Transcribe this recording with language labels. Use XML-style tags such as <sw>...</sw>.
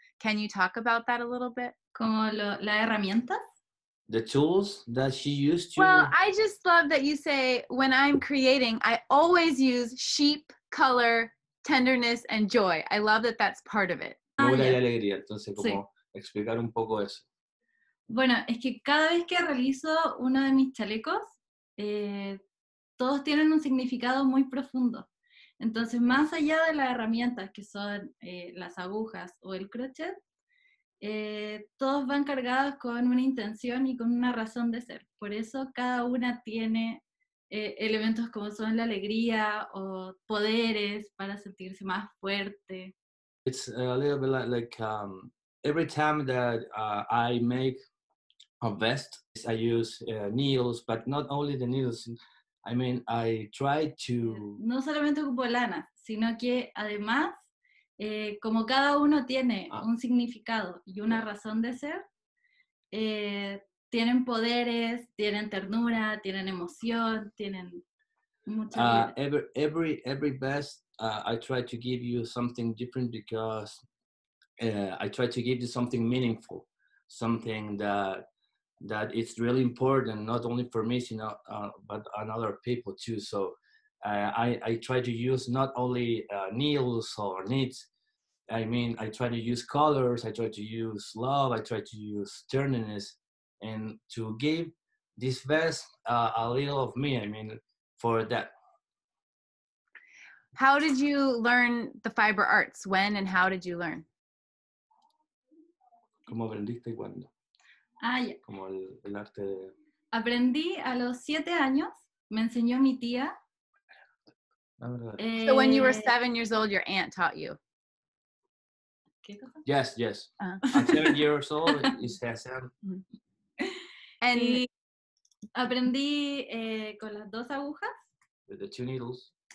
<en>Can you talk about that a little bit?</en> <es>Como la herramienta?</es> <en>The tools that she used to... Well, I just love that you say, when I'm creating, I always use sheep, color, tenderness, and joy. I love that that's part of it.</en> <es>Ternura y alegría. Entonces, como explicar un poco eso. Bueno, es que cada vez que realizo uno de mis chalecos, todos tienen un significado muy profundo. Entonces, más allá de las herramientas que son las agujas o el crochet, todos van cargados con una intención y con una razón de ser. Por eso cada una tiene elementos como son la alegría o poderes para sentirse más fuerte.</es> <en>It's a little bit like every time that I make a vest, I use needles, but not only the needles. I mean, I try to...</en> <es>No solamente ocupo lana, sino que además, como cada uno tiene un significado y una razón de ser, tienen poderes, tienen ternura, tienen emoción, tienen mucha vida.</es> <en>Every vest, I try to give you something different because I try to give you something meaningful, something that it's really important, not only for me, you know, but other people too. So I try to use not only needles or knits. I mean, I try to use colors, I try to use love, I try to use tenderness, and to give this vest a little of me, I mean, for that. How did you learn the fiber arts? When and how did you learn?</en> <es>¿Cómo aprendiste y cuándo? Ah, ya. Como el arte de... Aprendí a los 7 años, me enseñó mi tía.</es> <en>So when you were 7 years old, your aunt taught you. Yes, yes. Uh-huh. I'm 7 years old, it's SM. And</en> <es>aprendí con las dos agujas.</es> <en>With the two needles.</en>